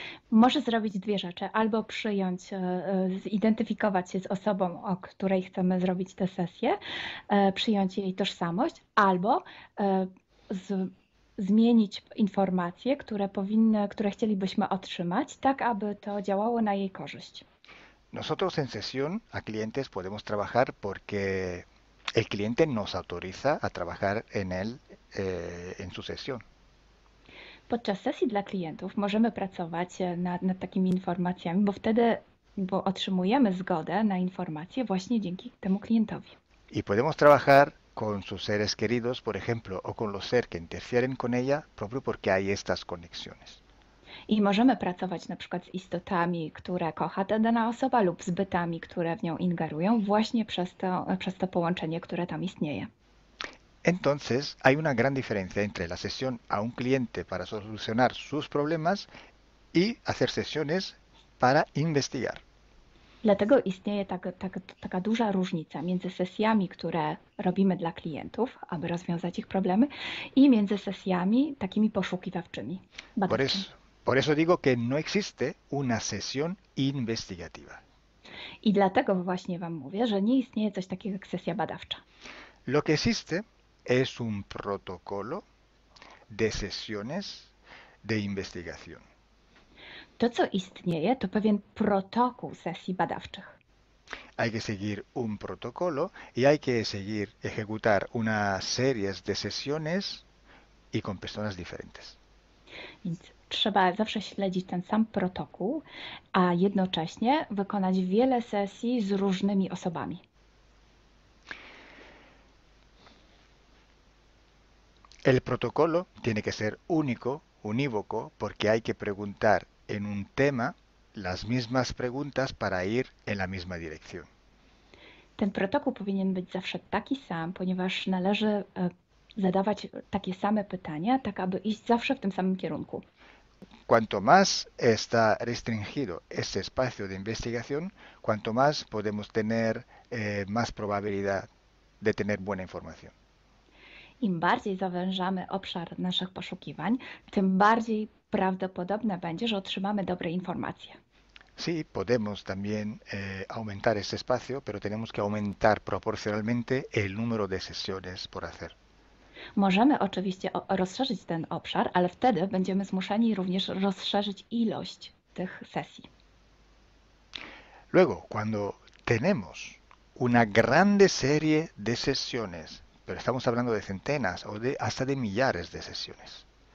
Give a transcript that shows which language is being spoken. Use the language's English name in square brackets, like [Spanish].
[Polish] Może zrobić dwie rzeczy. Albo przyjąć, zidentyfikować się z osobą, o której chcemy zrobić tę sesję, przyjąć jej tożsamość, albo zmienić informacje, które chcielibyśmy otrzymać, tak aby to działało na jej korzyść. [Spanish] Nosotros en sesión a clientes podemos trabajar porque el cliente nos autoriza a trabajar en él, en su sesión. [Polish] Podczas sesji dla klientów możemy pracować nad takimi informacjami, bo otrzymujemy zgodę na informacje właśnie dzięki temu klientowi. [Spanish] Y podemos trabajar con sus seres queridos, por ejemplo, o con los seres que interfieren con ella, propio porque hay estas conexiones. [Polish] I możemy pracować na przykład z istotami, które kocha ta dana osoba, lub z bytami, które w nią ingerują, właśnie przez to połączenie, które tam istnieje. [Spanish] Entonces, hay una gran diferencia entre la sesión a un cliente para solucionar sus problemas y hacer sesiones para investigar. [Polish] Dlatego istnieje taka duża różnica między sesjami, które robimy dla klientów, aby rozwiązać ich problemy, i między sesjami takimi poszukiwawczymi. [Spanish] Por eso digo que no existe una sesión investigativa. [Polish] I dlatego właśnie wam mówię, że nie istnieje coś takiego jak sesja badawcza. [Spanish] Lo que existe es un protocolo de sesiones de investigación. [Polish] To, co istnieje, to pewien protokół sesji badawczych. [Spanish] Hay que seguir un protocolo y hay que seguir ejecutar una serie de sesiones y con personas diferentes. [Polish] Więc trzeba zawsze śledzić ten sam protokół, a jednocześnie wykonać wiele sesji z różnymi osobami. [Spanish] El protocolo tiene que ser único, unívoco, porque hay que preguntar en un tema las mismas preguntas para ir en la misma dirección. [Polish] Ten protokół powinien być zawsze taki sam, ponieważ należy zadawać takie same pytania, tak aby iść zawsze w tym samym kierunku. [Spanish] Cuanto más está restringido ese espacio de investigación, cuanto más podemos tener más probabilidad de tener buena información. [Polish] Im bardziej zawężamy obszar naszych poszukiwań, tym bardziej prawdopodobne będzie, że otrzymamy dobre informacje. [Spanish] Sí, podemos también aumentar ese espacio, pero tenemos que aumentar proporcionalmente el número de sesiones por hacer. [Polish] Możemy oczywiście rozszerzyć ten obszar, ale wtedy będziemy zmuszeni również rozszerzyć ilość tych sesji. [Spanish] Luego, cuando tenemos una grande serie de sesiones, pero estamos hablando de centenas o de hasta de millares de sesiones.